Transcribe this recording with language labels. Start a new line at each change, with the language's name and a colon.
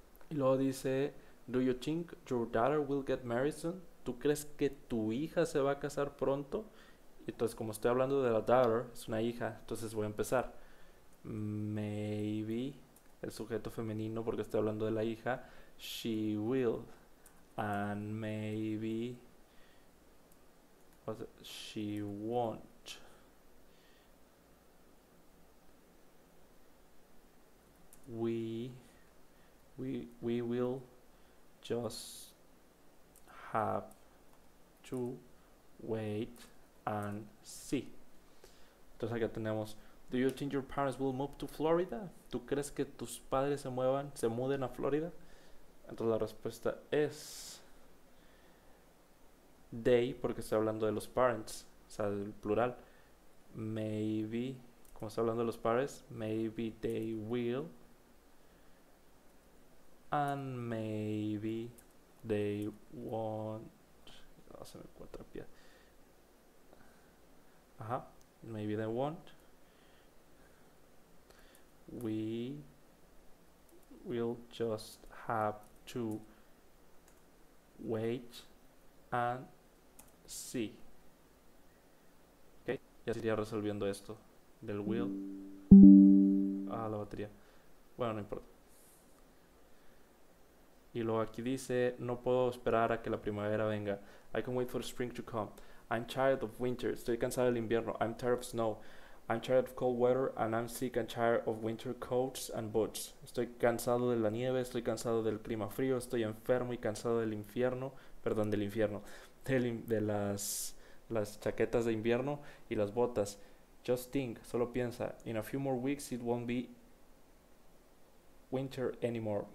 Spanish: Y luego dice,
English: do you think your daughter will get married soon?
Spanish: ¿Tú crees que tu hija se va a casar pronto? Entonces, como estoy hablando de la daughter, es una hija, entonces voy a empezar. Maybe, el sujeto femenino, porque estoy hablando de la hija,
English: she will. And maybe,
Spanish: o sea,
English: she won't. We will just have to wait. And sí.
Spanish: Entonces acá tenemos,
English: do you think your parents will move to Florida?
Spanish: ¿Tú crees que tus padres se muden a Florida? Entonces la respuesta es they, porque estoy hablando de los parents, o sea, del plural. Maybe, como estoy hablando de los padres,
English: maybe they will. And maybe they won't. Oh,
Spanish: se me encuentra pie.
English: Ajá, maybe they won't. We We'll just have to wait and see.
Spanish: Ya sería resolviendo esto del will. Ah, la batería. Bueno, no importa. Y luego aquí dice, no puedo esperar a que la primavera venga.
English: I can wait for spring to come. I'm tired of winter.
Spanish: Estoy cansado del invierno.
English: I'm tired of snow. I'm tired of cold weather and I'm sick and tired of winter coats and boots.
Spanish: Estoy cansado de la nieve, estoy cansado del clima frío, estoy enfermo y cansado del infierno, perdón, del infierno, de las chaquetas de invierno y las botas.
English: Just think,
Spanish: solo piensa,
English: in a few more weeks it won't be winter anymore.